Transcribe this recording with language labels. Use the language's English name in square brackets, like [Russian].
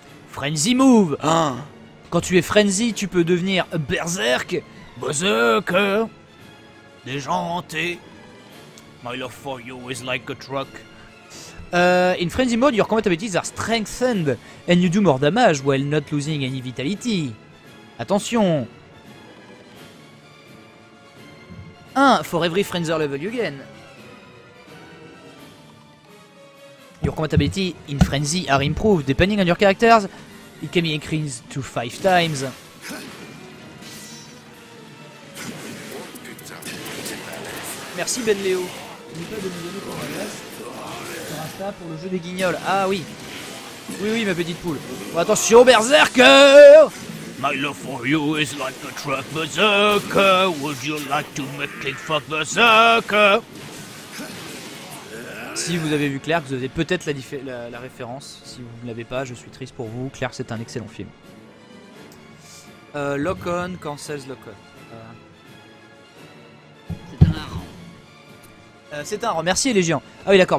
[French] Frenzy move, hein. Quand tu es frenzy, tu peux devenir berserk, berserker, déjanté. [English] My love for you is like a truck. In frenzy mode, your combat abilities are strengthened and you do more damage while not losing any vitality. Attention. 1 for every frenzer level you gain. Your compatibility in frenzy are improved depending on your characters. It can be increased to 5 times. [French] Merci Ben Léo. N'oublie pas de nous donner ton adresse sur Insta pour le jeu des guignols. Ah oui. Oui, oui, ma petite poule. Bon, attention, Berserker! [English] My love for you is like a truck berserker. Would you like to make it fuck berserker? [French] Si vous avez vu Clerks, vous avez peut-être la référence. Si vous ne l'avez pas, je suis triste pour vous. Clerks, c'est un excellent film. [English] Lock on, cancels lock on. [French] C'est un rang. C'est un rang. Merci, Légion. Ah oui, d'accord.